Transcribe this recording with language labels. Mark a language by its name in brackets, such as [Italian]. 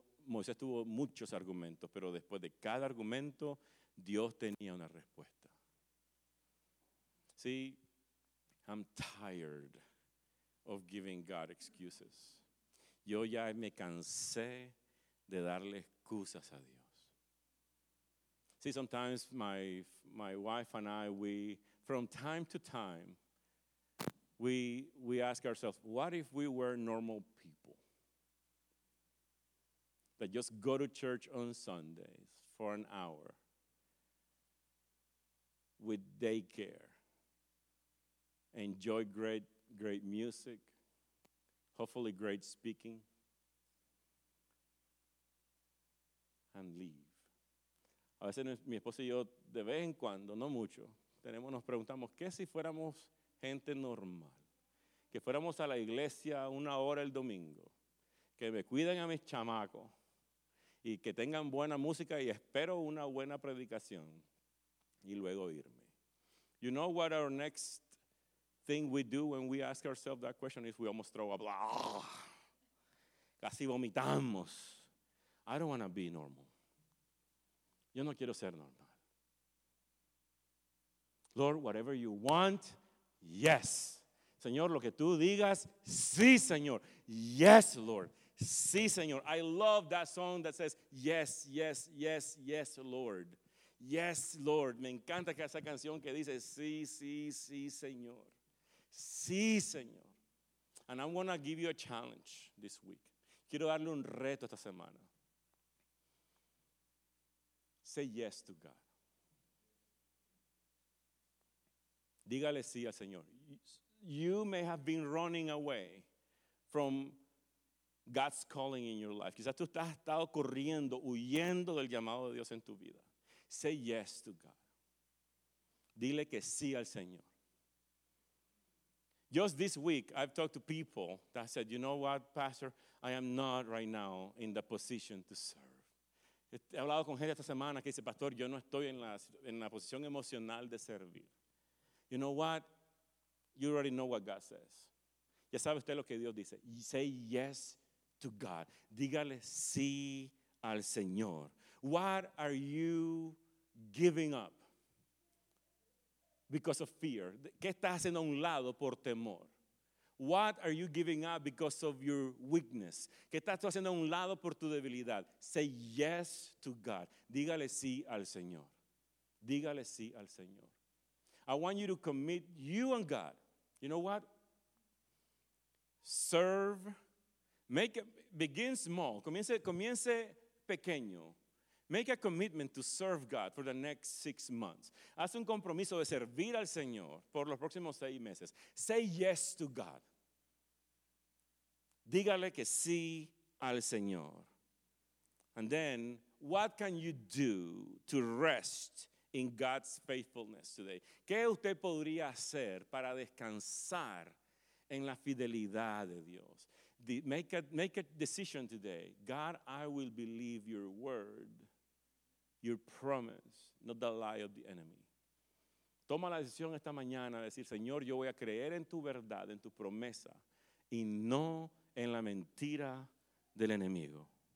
[Spanish] Moisés tuvo muchos argumentos, pero después de cada argumento, Dios tenía una respuesta. [English] See, I'm tired of giving God excuses. [Spanish] Yo ya me cansé de darle excusas a Dios. [English] See, sometimes my wife and I, we, from time to time, we ask ourselves, what if we were normal people that just go to church on Sundays for an hour with daycare, enjoy great music, hopefully great speaking, and leave. [Spanish] A veces mi esposa y yo, de vez en cuando, no mucho, tenemos, nos preguntamos, ¿qué si fuéramos gente normal? Que fuéramos a la iglesia una hora el domingo, que me cuiden a mis chamacos, y que tengan buena música y espero una buena predicación, y luego irme. [English] You know what our next thing we do when we ask ourselves that question is we almost throw up. [Spanish] Casi vomitamos. [English] I don't want to be normal. [Spanish] Yo no quiero ser normal. [English] Lord, whatever you want, yes. [Spanish] Señor, lo que tú digas, sí, Señor. [English] Yes, Lord. [Spanish] Sí, Señor. [English] I love that song that says, yes, yes, yes, yes, Lord. Yes, Lord. [Spanish] Me encanta que esa canción que dice, sí, sí, sí, Señor. Sí, Señor. [English] And I'm going to give you a challenge this week. [Spanish] Quiero darle un reto esta semana. [English] Say yes to God. [Spanish] Dígale sí al Señor. [English] You may have been running away from God's calling in your life. [Spanish] Quizás tú has estado corriendo, huyendo del llamado de Dios en tu vida. [English] Say yes to God. [Spanish] Dile que sí al Señor. [English] Just this week, I've talked to people that said, you know what, Pastor, I am not right now in the position to serve. [Spanish] He hablado con gente esta semana que dice, Pastor, yo no estoy en la posición emocional de servir. [English] You know what? You already know what God says. [Spanish] Ya sabe usted lo que Dios dice. [English] Say yes to God. [Spanish] Dígale sí al Señor. [English] What are you giving up because of fear? [Spanish] ¿Qué estás haciendo a un lado por temor? [English] What are you giving up because of your weakness? [Spanish] ¿Qué estás haciendo a un lado por tu debilidad? [English] Say yes to God. [Spanish] Dígale sí al Señor. Dígale sí al Señor. [English] I want you to commit, you and God. You know what? Serve. Begin small. [Spanish] Comience pequeño. [English] Make a commitment to serve God for the next 6 months. [Spanish] Haz un compromiso de servir al Señor por los próximos 6 meses. [English] Say yes to God. [Spanish] Dígale que sí al Señor. [English] And then, what can you do to rest in God's faithfulness today? [Spanish] ¿Qué usted podría hacer para descansar en la fidelidad de Dios? [English] Make a decision today. God, I will believe your word. Your promise, not the lie of the enemy. [Spanish] Toma la decisión esta mañana de decir, Señor, yo voy a creer en tu verdad, en tu promesa, y no en la mentira del enemigo.